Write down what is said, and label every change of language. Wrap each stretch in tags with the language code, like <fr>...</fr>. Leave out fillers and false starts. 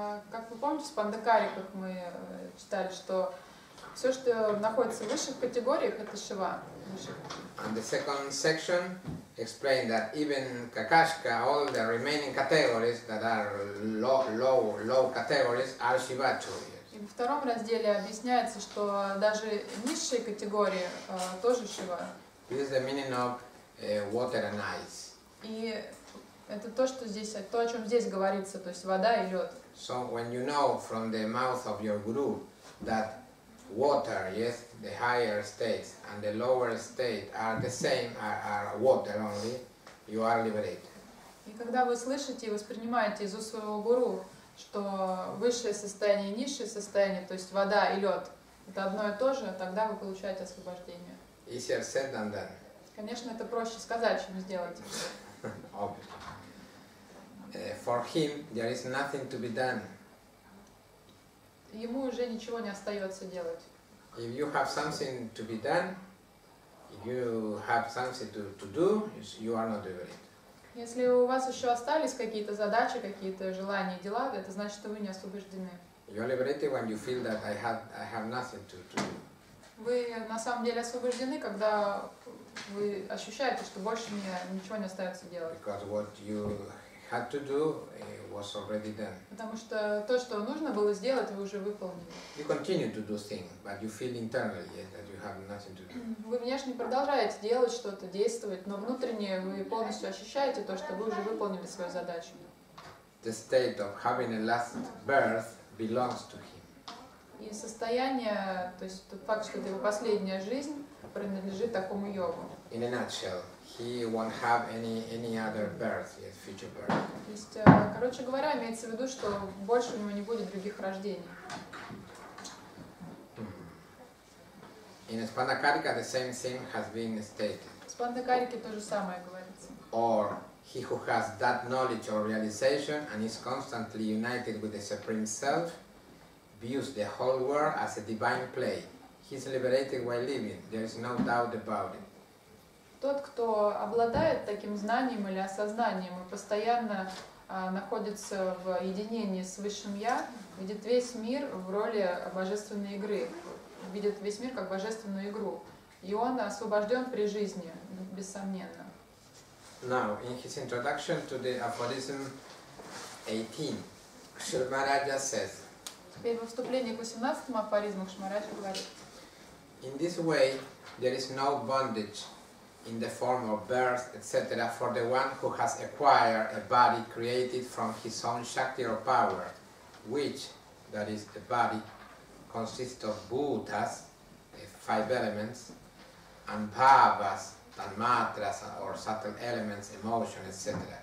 <ru>Как вы помните, в Спандакариках мы читали, что все, что находится в высших категориях, это Шива.</ru> <en>And the second section explained that even Kakashka, all the remaining categories that are low categories are Shiva too.</en> <ru>И во втором разделе объясняется, что даже низшие категории тоже Шива.</ru> <en>This is the meaning of water and ice.</en> <ru>И Это то, что здесь, то, о чем здесь говорится, то есть вода и лед.</ru> <en>So when you know from the mouth of your guru that water, yes, the higher states and the lower state are the same, are water only, you are liberated.</en> <ru>И когда вы слышите и воспринимаете из уст своего гуру, что высшее состояние и низшее состояние, то есть вода и лед, это одно и то же, тогда вы получаете освобождение.</ru> <en>Easier said than done.</en> <ru>Конечно, это проще сказать, чем сделать.</ru> <en>Obviously. For him, there is nothing to be done.</en> <ru>Ему уже ничего не остается делать.</ru> <en>If you have something to be done, if you have something to do, you are not liberated.</en> <ru>Если у вас еще остались какие-то задачи, какие-то желания, дела, это значит, что вы не освобождены.</ru> <en>You're liberated when you feel that I have nothing to do.</en> <ru>Вы на самом деле освобождены, когда вы ощущаете, что больше мне ничего не остается делать.</ru> <en>Because what you had to do was already done.</en> <ru>Потому что то, что нужно было сделать, вы уже выполнили.</ru> <en>You continue to do things, but you feel internally that you have nothing to do.</en> <ru>Вы внешне продолжаете делать что-то, действовать, но внутренне вы полностью ощущаете то, что вы уже выполнили свою задачу.</ru> <en>The state of having a last birth belongs to him.</en> <ru>И состояние, то есть тот факт, что это его последняя жизнь, принадлежит такому йогу.</ru> <en>In a nutshell, he won't have any other birth, yet future birth.</en> <ru>То есть, короче говоря, имеется в виду, что больше у него не будет других рождений.</ru> <en>In Spandakarika the same thing has been stated.</en> <ru>В Спандакарике то же самое говорится.</ru> <en>Or he who has that knowledge or realization and is constantly united with the Supreme Self views the whole world as a divine play. He's liberated while living. There is no doubt about it.</en> <ru>Тот, кто обладает таким знанием или осознанием и постоянно находится в единении с Высшим Я, видит весь мир в роли божественной игры, видит весь мир как божественную игру. И он освобожден при жизни, бессомненно.</ru> <en>Now, in his introduction to the aphorism 18, Шри Махараджа says,</en> <ru>теперь во вступлении к 18-му афоризму Кшмараджа говорит.</ru> <en>In this way, there is no bondage in the form of birth, etc., for the one who has acquired a body created from his own shakti or power, which, that is, the body, consists of bhutas, five elements, and bhavas, tanmatras, or subtle elements, emotion, etc.</en>